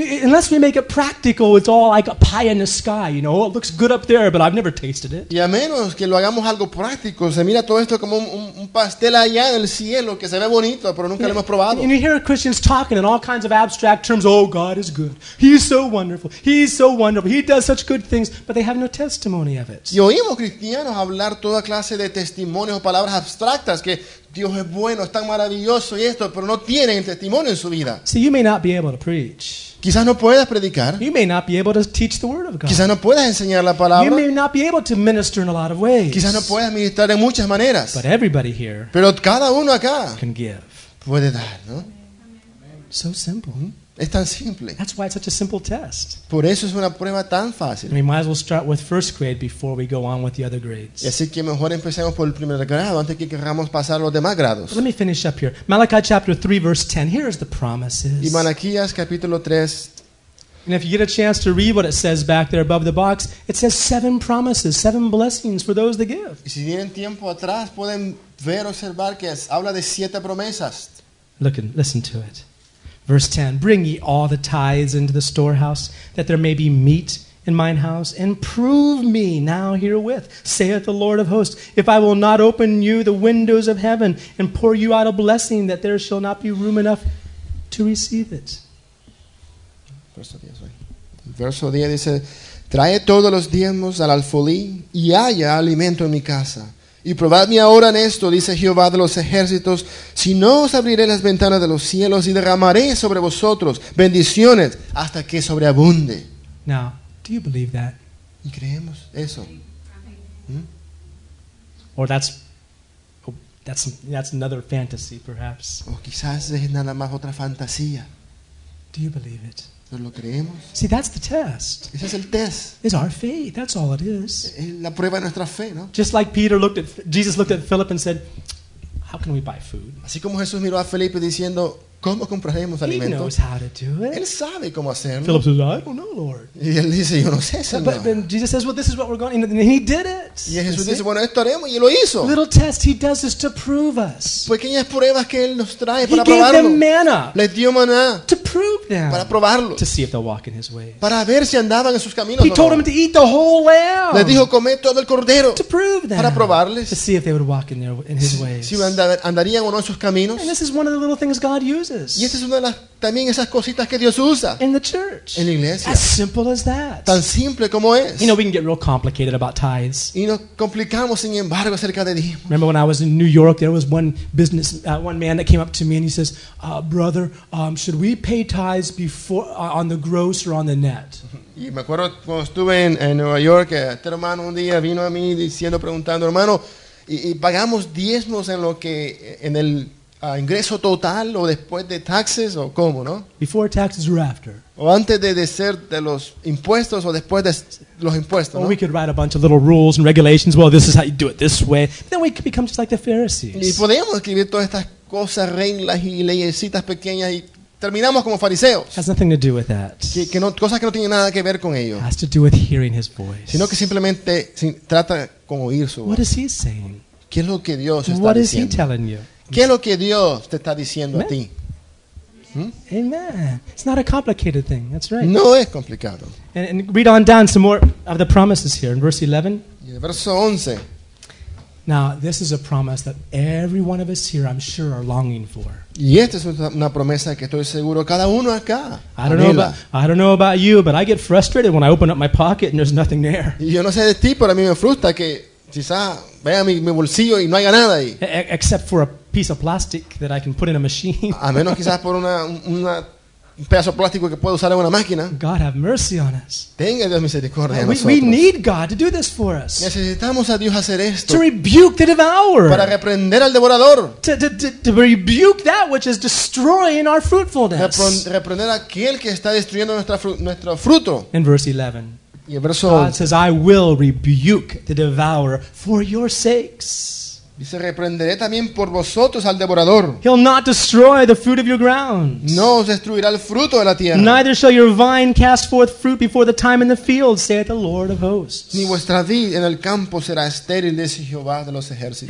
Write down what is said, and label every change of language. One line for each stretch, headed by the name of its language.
English: Unless we make it practical, it's all like a pie in the sky. You know, it looks good up there, but I've never tasted it.
Spanish: Y a menos que lo hagamos algo práctico, se mira todo esto como un pastel allá en el cielo que se ve bonito, pero nunca lo hemos probado.
English: And you hear Christians talking in all kinds of abstract terms. Oh, God is good. He's so wonderful. He's so wonderful. He does such good things, but they have no testimony of it.
Spanish: Y oímos cristianos hablar toda clase de testimonios o palabras abstractas que Dios es bueno, es tan maravilloso y esto, pero no tienen el testimonio en su vida.
English: See, you may not be able to preach.
Spanish: Quizás no puedas predicar.
English: You may not be able to teach the word of God.
Spanish: Quizás no puedas enseñar la palabra.
English: You may not be able to minister in a lot of ways.
Spanish: Quizás no puedas ministrar en muchas maneras.
English: But everybody here.
Spanish: Pero cada uno acá
English: can give.
Spanish: Puede dar, ¿no?
English: So simple.
Spanish: Es tan simple.
English: That's why it's such a simple test.
Spanish: Por eso es una prueba tan fácil.
English: We might as well start with first grade before we go on with the other grades.
Spanish: Así que mejor empecemos por el primer grado antes que queramos pasar los demás grados.
English: But let me finish up here. Malachi chapter 3 verse 10. Here's the promises.
Spanish: Y Malaquías capítulo 3.
English: And if you get a chance to read what it says back there above the box, it says 7 promises, 7 blessings for those that give.
Spanish: Y si tienen tiempo atrás pueden ver observar que habla de 7 promesas.
English: Look and listen to it. Verse 10, bring ye all the tithes into the storehouse, that there may be meat in mine house, and prove me now herewith, saith the Lord of hosts, if I will not open you the windows of heaven, and pour you out a blessing, that there shall not be room enough to receive it.
Spanish: Verso 10 dice, trae todos los diezmos al alfolí, y haya alimento en mi casa. Y probadme ahora en esto, dice Jehová de los ejércitos, si no os abriré las ventanas de los cielos y derramaré sobre vosotros bendiciones hasta que sobreabunde.
English: Now, do you believe that?
Spanish: ¿Y creemos eso?
English: Or that's another fantasy, perhaps.
Spanish: O quizás es nada más otra fantasía.
English: Do you believe it?
Spanish: ¿Lo creemos?
English: See, that's the test.
Spanish: Ese es el test.
English: It's our faith. That's all it is.
Spanish: La prueba de nuestra fe, ¿no?
English: Just like Peter looked at Jesus looked at Philip and said, "How can we buy food?"
Spanish: Así como Jesús miró a Felipe diciendo, ¿cómo compraremos alimento?
English: He knows how to do it.
Spanish: Él sabe cómo hacerlo.
English: Philip says, "I don't know, Lord."
Spanish: Y él dice, "Yo no sé, Señor."
English: But then Jesus says, "Well, this is what we're going." And he did it.
Spanish: Y Jesús dice, "Bueno, esto haremos." Y lo hizo.
English: Little test he does this to prove us.
Spanish: Pequeñas pruebas que él nos trae para probarlo.
English: He gave them manna.
Spanish: Les dio maná.
English: To prove them.
Spanish: Para probarlo.
English: To see if they'll walk in his ways.
Spanish: Para ver si andaban en sus caminos.
English: He told them to eat the whole lamb.
Spanish: Les dijo, "Come todo el cordero."
English: To prove them.
Spanish: Para probarles.
English: To see if they would walk in his ways.
Spanish: Si andarían o no en sus caminos.
English: And this is one of the little things God uses.
Spanish: Y esta es una de las también esas cositas que Dios usa
English: in the church.
Spanish: En la iglesia.
English: As simple as that.
Spanish: Tan simple como es.
English: You know, we can get real complicated about tithes.
Spanish: Y nos complicamos sin embargo acerca de diezmos.
English: Remember when I was in New York, there was one man that came up to me and he says, "Brother, should we pay tithes before on the gross or on the net?"
Spanish: Y me acuerdo cuando estuve en Nueva York, este hermano un día vino a mí diciendo, preguntando, hermano, ¿y pagamos diezmos en lo que en el ingreso total o después de taxes o cómo, no?
English: Before taxes or after.
Spanish: O antes de ser de los impuestos o después de los impuestos,
English: or
Spanish: ¿no?
English: We could write a bunch of little rules and regulations. Well, this is how you do it this way. But then we could become just like the Pharisees.
Spanish: Y podemos escribir todas estas cosas, reglas y leyesitas pequeñas y terminamos como fariseos.
English: Has nothing to do with that.
Spanish: Que no, cosas que no tienen nada que ver con ello.
English: Has to do with hearing his voice.
Spanish: Sino que simplemente trata con oír su voz.
English: What is he saying?
Spanish: ¿Qué es lo que Dios está
English: what
Spanish: diciendo?
English: What is he telling you?
Spanish: ¿Qué es lo que Dios te está diciendo
English: Amen.
Spanish: A ti?
English: Amen. It's not a complicated thing. That's right.
Spanish: No es complicado.
English: And read on down some more of the promises here in verse 11.
Spanish: Verso 11.
English: Now, this is a promise that every one of us here, I'm sure, are longing for.
Spanish: Y esta es una promesa que estoy seguro cada uno acá.
English: I don't know about you, but I get frustrated when I open up my pocket and there's nothing there.
Spanish: Yo no sé de ti, pero a mí me frustra que quizá vea mi bolsillo y no haya nada ahí.
English: Except for a piece of plastic that I can put in a machine.
Spanish: A menos quizás por una un pedazo plástico que puedo usar en una máquina.
English: God have mercy on us.
Spanish: Tenga Dios misericordia en nosotros.
English: We need God to do this for us.
Spanish: Necesitamos a Dios hacer esto.
English: To rebuke the devourer.
Spanish: Para reprender al devorador.
English: To rebuke that which is destroying our fruitfulness.
Spanish: Reprender aquel que está destruyendo nuestro fruto.
English: In verse 11.
Spanish: Y verso
English: God says, "I will rebuke the devourer for your sakes."
Spanish: Dice, reprenderé también por vosotros al devorador.
English: He'll not destroy the fruit of your ground.
Spanish: No os destruirá el fruto de la tierra.
English: Neither shall your vine cast forth fruit before the time in the field, saith the Lord of hosts.
Spanish: Ni vuestra vid en el campo será estéril, dice Jehová de los ejércitos.